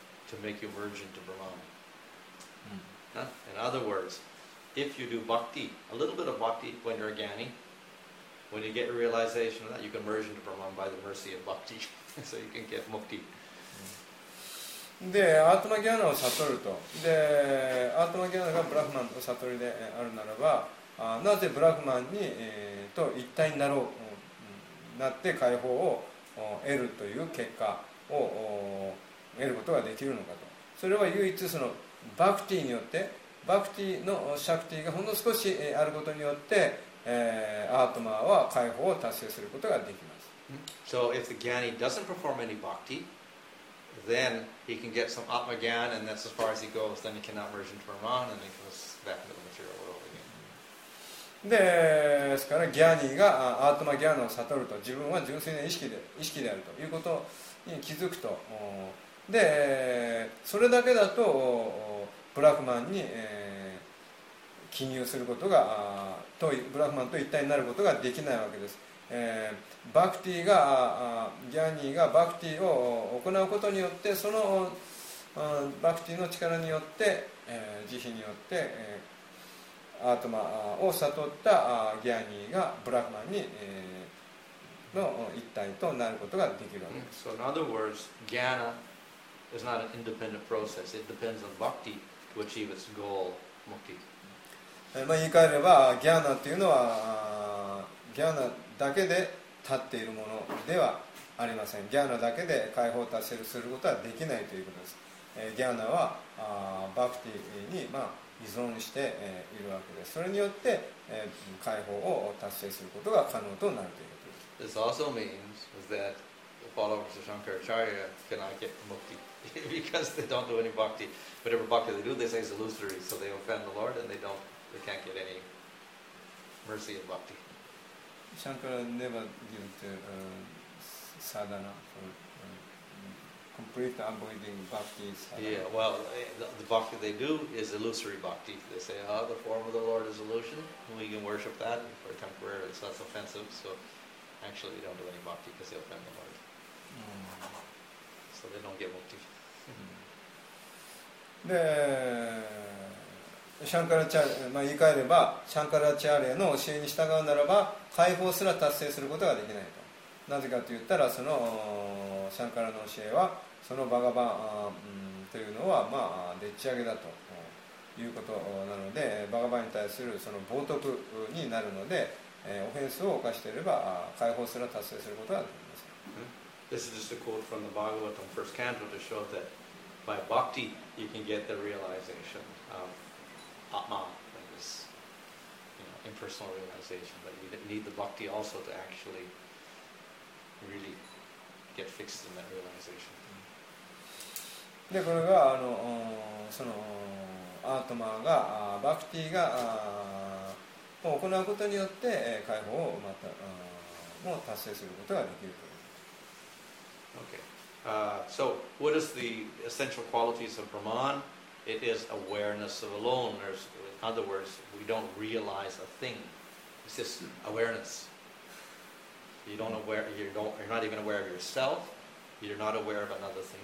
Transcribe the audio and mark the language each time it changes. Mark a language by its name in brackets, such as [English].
[English] To make you merge into Brahman. Mm. Huh? In other words, if you do bhakti, a little bit of bhakti when you're a jnani, when you get a realization of that, you can merge into Brahman by the mercy of bhakti. So you can get mukti. [Japanese] で、アートマギャーナを悟ると。で、アートマギャーナがブラフマンの悟りであるならば、なぜブラフマンに、と一体になろう、なって解放を得るという結果を得ることができるのかと。それは唯一そのバクティによって、バクティのシャクティがほんの少しあることによって、アートマは解放を達成することができます。 [English] So if the Gyani doesn't perform any bhakti, then he can get some Atma Gyan and that's as far as he goes, then he cannot merge into Brahman and he goes back into the material world again. [Japanese] ですから、Gyani がアートマギャンを悟ると、自分は純粋な意識であるということに気づくと、で、それだけだと、ブラフマンに、記入することが、とブラフマンと一体になることができないわけです。バクティが、ギャニーがバクティを行うことによって、そのバクティの力によって、慈悲によって、アートマを悟ったギャニーがブラフマンに、の一体となることができるわけです。 [English] So in other words, Gyana is not an independent process. It depends on bhakti to achieve its goal, mukti. [Japanese] 言い換えれば、ギャナというのは、ギャナだけで立っているものではありません。ギャナだけで解放達成することはできないということです。ギャナはバクティに、依存しているわけです。それによって、解放を達成することが可能となるということです。 [English] This also means that the followers of Shankaracharya cannot get mukti because they don't do any bhakti. Whatever bhakti they do, they say is illusory, so they offend the Lord and they can't get any mercy of bhakti. Shankara never did sadhana for complete avoiding bhakti sadhana. Yeah, well, the bhakti they do is illusory bhakti. They say, oh, the form of the Lord is illusion. We can worship that for temporarily, so that's offensive. So actually, they don't do any bhakti because they offend the Lord.、So they don't get mukti. [Japanese] で、シャンカラチャーレ、言い換えれば、シャンカラチャーレの教えに従うならば、解放すら達成することができないと。なぜかと言ったら、そのシャンカラの教えは、そのバガバン、というのは、でっち上げだということなので、バガバンに対するその冒涜になるので、オフェンスを犯していれば、解放すら達成することができません。 [English] This is just a quote from the Bhagavatam first canto to show that by bhakti you can get the realization of. Atma, like this, you know, impersonal realization, but you need the bhakti also to actually really get fixed in that realization. [Japanese] で、これがそのアートマが、バクティが行うことによって解放をまた、もう達成することができると。 [English] Okay. So, what is the essential qualities of Brahman? It is awareness of alone. There's, in other words, we don't realize a thing. It's just awareness. You're not even aware of yourself. You're not aware of another thing.